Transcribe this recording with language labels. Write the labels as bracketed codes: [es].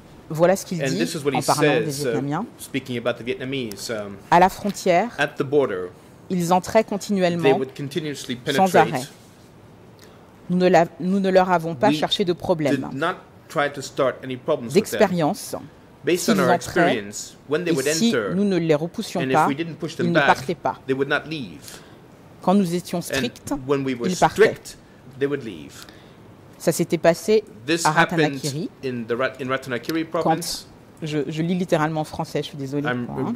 [fr] Voilà ce qu'il dit en parlant des Vietnamiens. [en] Speaking about the Vietnamese, [fr] à la frontière, [en] at the border, [fr] ils entraient continuellement, [en] they would continuously penetrate, [fr] sans arrêt. Nous ne leur avons pas cherché de problème. [en] Did not try to start any problems with [fr] d'expérience. [en] Based on our experience, when they would enter, [fr] si nous ne les repoussions pas, ils ne partaient pas. [en] They would not leave. [fr] Quand nous étions stricts, [en] when we were [fr] ils partaient. [en] They would leave. [fr] Ça s'était passé [en] this [fr] à Ratanakiri. [en] In Ratanakiri province. [fr] Je lis littéralement en français, je suis désolée. Hein.